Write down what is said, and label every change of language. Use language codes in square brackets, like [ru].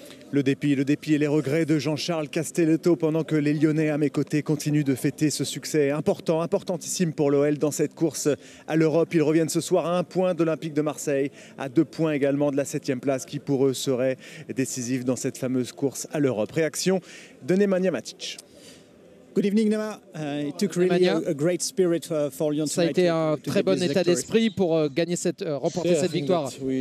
[fr] Le dépit et les regrets de Jean-Charles Castelletto pendant que les Lyonnais à mes côtés continuent de fêter ce succès important, importantissime pour l'OL dans cette course à l'Europe. Ils reviennent ce soir à 1 point d'Olympique de Marseille, à 2 points également de la 7e place qui pour eux serait décisive dans cette fameuse course à l'Europe. Réaction de Nemanja Matić. [en] Good evening, Nema. It took really a great spirit for Lyon tonight. [fr] Ça a été un très bon état d'esprit pour gagner remporter cette victoire.